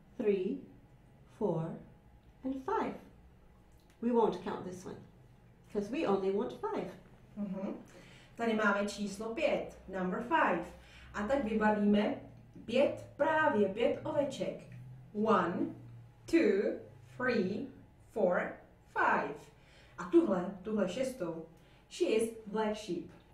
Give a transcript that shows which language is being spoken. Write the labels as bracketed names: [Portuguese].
[English] 1, 2, 3, 4, and 5. We won't count this one because we only want 5. [Czech] Tady máme číslo 5, [English] number 5. [Czech] A tak vybavíme 5 právě, 5 oveček. [English] 1, 2, 3, 4, 5. [Czech] A tuhle šestou, [English] she is black sheep.